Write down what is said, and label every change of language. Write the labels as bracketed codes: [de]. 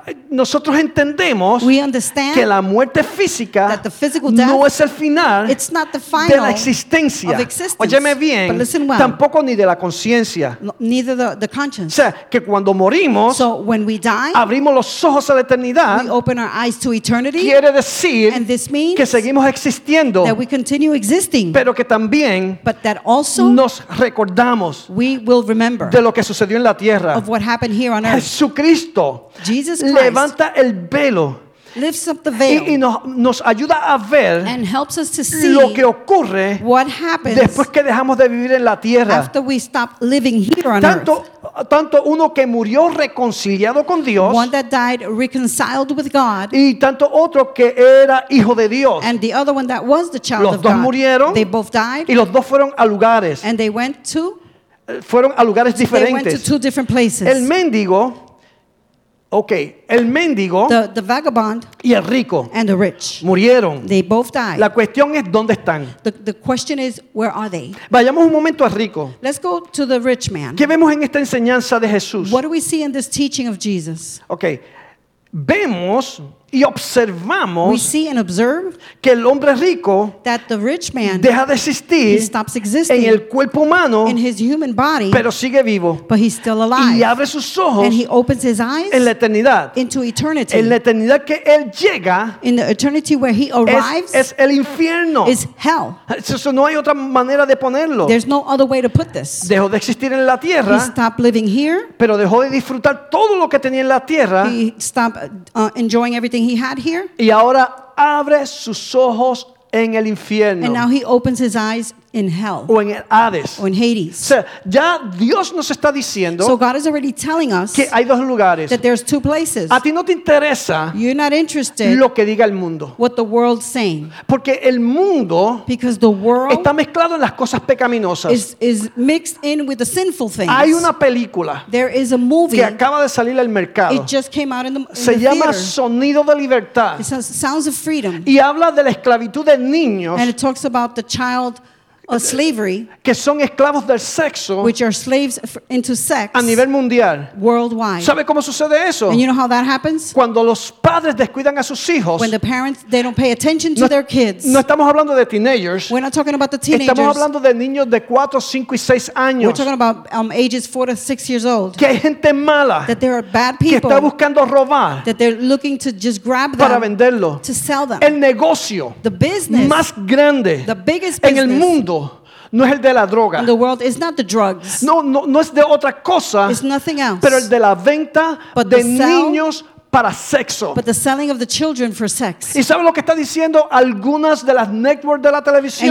[es] Nosotros entendemos que la muerte física no es el final, [en] it's not the final [es] de la existencia. Óyeme bien, [en] but listen well, [es] tampoco ni de la conciencia. [en] Neither the conscience. [es] O sea, que cuando morimos, [en] so when we die, [es] abrimos los ojos a la eternidad, [en] we open our eyes to eternity, [es] quiere decir, [en] and this means, [es] que seguimos existiendo, [en] that we continue existing, [es] pero que también, [en] but that also, [es] nos recordamos, [en] we will remember, [es] de lo que sucedió en la tierra. [en] Of what happened here on earth. [es] Jesucristo, [en] Jesus Christ, [es] levanta el velo, [en] lifts up the veil, [es] y nos ayuda a ver, [en] and helps us to see, [es] lo que ocurre, [en] what happens, [es] después que dejamos de vivir en la tierra, [en] after we stop living here on [es] tanto, [en] earth. [es] Tanto uno que murió reconciliado con Dios, [en] one that died reconciled with God, [es] y tanto otro que era hijo de Dios, [en] and the other one that was the child [es] los [en] of [es] dos [en] God. [es] Murieron, [en] they both died, [es] y los dos fueron a lugares, [en] and they went to, [es] fueron a lugares diferentes, [en] they went to two different places. [es] El mendigo, okay, el mendigo, [en] the vagabond, [es] y el rico, [en] and the rich, [es] murieron. [en] They both died. [es] La cuestión es dónde están. [en] The question is where are they? [es] Vayamos un momento al rico. [en] Let's go to the rich man. [es] ¿Qué vemos en esta enseñanza de Jesús? [en] What do we see in this teaching of Jesus? [es] Okay, vemos Y observamos [en] we see and observe [es] que el hombre rico [en] that the rich man [es] deja de existir [en] he stops existing [es] en el cuerpo humano [en] in his human body, [es] pero sigue vivo [en] but he's still alive. [es] Y abre sus ojos [en] and he opens his eyes [es] en la eternidad [en] into eternity. [es] En la eternidad que él llega [en] in the eternity where he arrives, [es] es el infierno [en] is hell. [es] Eso no hay otra manera de ponerlo. [en] There's no other way to put this. [es] Dejó de existir en la tierra [en] he stopped living here, [es] pero dejó de disfrutar todo lo que tenía en la tierra [en] he stopped, enjoying everything he had here [es] y ahora abre sus ojos en el infierno. [en] And now he opens his eyes in hell [es] o en el Hades. [en] Or in Hades. [es] O sea, ya Dios nos está diciendo [en] so God is already telling us [es] que hay dos lugares. [en] That there's two places. [es] A ti no te interesa [en] you're not interested [es] lo que diga el mundo. [en] What the world's saying. [es] Porque el mundo [en] because the world [es] está mezclado en las cosas pecaminosas. [en] Is mixed in with the sinful things. [es] Hay una película [en] there is a movie [es] que acaba de salir al mercado. [en] It just came out in the [es] se llama Sonido de Libertad. [en] It says Sounds of Freedom. [es] Y habla de la esclavitud de niños. [en] And it talks about the child a slavery [es] que son esclavos del sexo [en] which are slaves into sex [es] a nivel mundial [en] worldwide. [es] ¿Sabe cómo sucede eso? [en] And you know how that happens? [es] Cuando los padres descuidan a sus hijos [en] when the parents they don't pay attention to [es] no, [en] their kids [es] no estamos hablando de teenagers [en] we're not talking about the teenagers [es] estamos hablando de niños de 4, 5 y 6 años [en] we're talking about ages 4 to 6 years old [es] que hay gente mala [en] that there are bad people [es] que está buscando robar [en] that they're looking to just grab them [es] para venderlo [en] to sell them [es] el negocio [en] the business [es] más grande [en] the biggest business [es] en el mundo no es el de la droga. [en] The world is not the drugs. [es] No es de otra cosa. [en] It's nothing else. [es] Pero el de la venta [en] but [es] de niños para sexo. [en] But the selling of the children for sex. [es] ¿Y sabe lo que está diciendo algunas de las networks de la televisión?